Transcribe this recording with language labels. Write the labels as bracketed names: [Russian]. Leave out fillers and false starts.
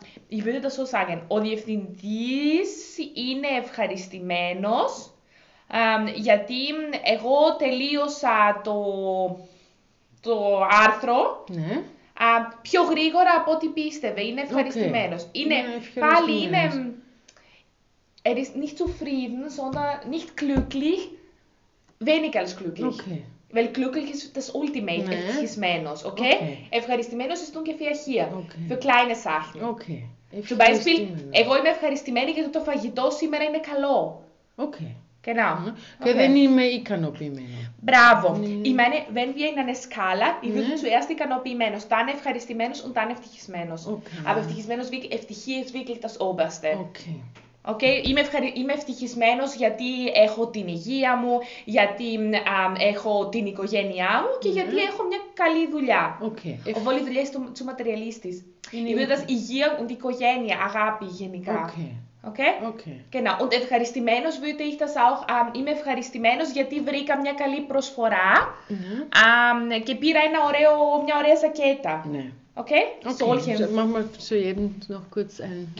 [German] Ich würde das so sagen. [Greek] Ο διευθυντής είναι ευχαριστημένος. Γιατί εγώ τελείωσα το άρθρο πιο γρήγορα από ό,τι πίστευε. Είναι ευχαριστημένος. Okay. [German] Είναι er ist nicht zufrieden, sondern nicht glücklich, wenig als glücklich. Okay. Weil glücklich ist das ultimate, ευτυχισμένος. Okay? Okay. Ευχαριστημένος ist ungefähr hier, okay. Für kleine Sachen. Okay. Zum Beispiel, [Greek] εγώ είμαι ευχαριστημένη γιατί το φαγητό σήμερα είναι καλό. Okay. [German] Genau. [Greek] Και δεν είμαι ικανοποιημένο. Μπράβο. [German] Ich meine, wenn wir in eine Skala, ich würde zuerst ικανοποιημένο, dann ευχαριστημένο und dann ευτυχισμένο. Aber ευτυχισμένο, ευτυχία ist wirklich das Oberste. Okay. [Greek] Είμαι ευτυχισμένο γιατί έχω την υγεία μου, γιατί έχω την οικογένειά μου και γιατί έχω μια καλή δουλειά. Okay. Όλη η δουλειά είναι του ματεριαλίστη. Είναι η υγεία μου, η οικογένεια, αγάπη γενικά. Okay. [German] Genau. [Greek] Und ευχαριστημένος, [German] würde ich das auch, [Greek] είμαι ευχαριστημένος γιατί βρήκα μια καλή προσφορά και πήρα μια ωραία ζακέτα. Okay? [German] Solchen. Okay. Mach mal zu jedem noch kurz ein.